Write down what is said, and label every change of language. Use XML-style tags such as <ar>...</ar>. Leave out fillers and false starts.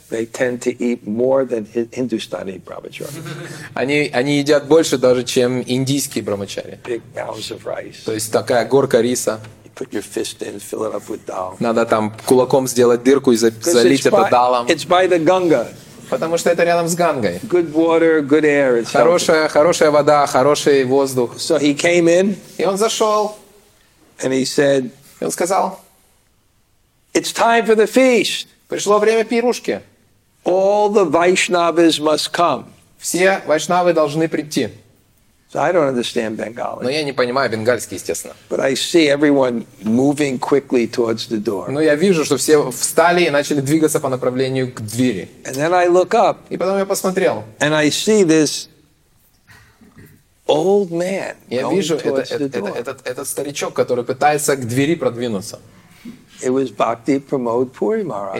<en>They tend to eat more than Hindustani brahmachari.</en> <ru>Они едят больше даже, чем индийские брахмачари.</ru> <en>Big mounds of rice.</en> <ru>То есть такая горка риса.</ru> <en>You put your fist in, fill it up with dal.</en> <ru>Надо там кулаком сделать дырку и залить это далом.</ru> <en>It's by the Ganga.</en> <ru>Потому что это рядом с Гангой.</ru> <en>Good water, good air. It's</en> <ru>хорошая вода, хороший воздух.</ru> <en>So he came in.</en> <ru>И он зашел.</ru> <en>And he said.</en> <ru>И он сказал.</ru> <en>It's time for the feast.</en> <ru>Пришло время пирушки.</ru> <en>All the Vaishnavas must come.</en> <ru>Все вайшнавы должны прийти.</ru> <en>So I don't understand Bengali.</en> <ru>Но я не понимаю бенгальский, естественно.</ru> <en>But I see everyone moving quickly towards the door.</en> <ru>Но я вижу, что все встали и начали двигаться по направлению к двери.</ru> <en>And then I look up.</en> <ru>И потом я посмотрел.</ru> <en>And I see this old man.</en> <ru>Я вижу этот старичок, который пытается к двери продвинуться.</ru> <en>It was Bhakti Pramod Puri Maharaj.</en>